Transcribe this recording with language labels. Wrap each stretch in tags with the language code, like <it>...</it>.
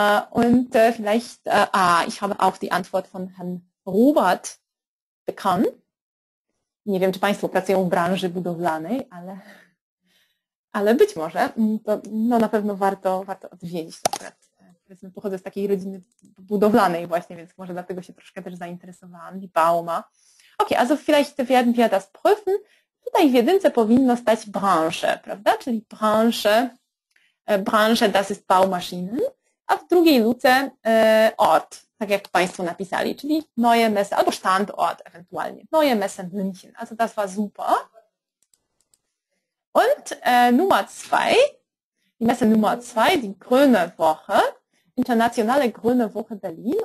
<de>Und vielleicht, ich habe auch die Antwort von Herrn Robert bekommen.</de> <pl>Nie wiem, czy Państwo pracują w branży budowlanej, ale, ale być może, to, no na pewno warto, warto odwiedzić. Powiedzmy, pochodzę z takiej rodziny budowlanej właśnie, więc może dlatego się troszkę też zainteresowałam, die Bauma.</pl> <de>Okay, also vielleicht werden wir das prüfen.</de> <pl>Tutaj w jedynce powinno stać branche, prawda? Czyli branche, branche</pl> <de>das ist Baumaschinen.</de> <pl>A w drugiej luce Ort, tak jak Państwo napisali, czyli Neue Messe, albo Standort ewentualnie.</pl> <de>Neue Messe München. Also das war super. Und Nummer 2, die Messe Nummer 2, die Grüne Woche, Internationale Grüne Woche Berlin.</de>